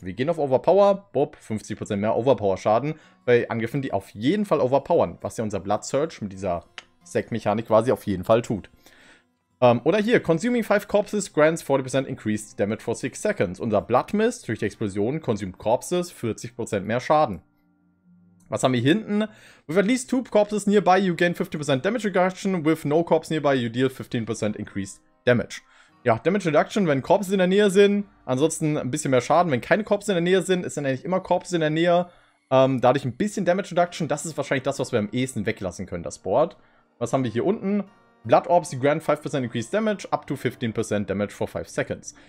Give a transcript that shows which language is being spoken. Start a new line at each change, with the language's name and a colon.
German: Wir gehen auf Overpower, bob, 50% mehr Overpower Schaden bei Angriffen, die auf jeden Fall overpowern, was ja unser Blood Surge mit dieser Sack-Mechanik quasi auf jeden Fall tut.
English: Oder hier, consuming 5 corpses grants 40% increased damage for 6 seconds.
German: Unser Blood Mist durch die Explosion consumed corpses 40% mehr Schaden. Was haben wir hier hinten?
English: With at least 2 corpses nearby, you gain 50% damage reduction. With no corpse nearby, you deal 15% increased damage.
German: Ja, damage reduction, wenn corpses in der Nähe sind. Ansonsten ein bisschen mehr Schaden. Wenn keine corpses in der Nähe sind, ist dann eigentlich immer corpses in der Nähe. Dadurch ein bisschen damage reduction. Das ist wahrscheinlich das, was wir am ehesten weglassen können, das Board. Was haben wir hier unten?
English: Blood Orbs grant 5% increased damage, up to 15% damage for 5 seconds.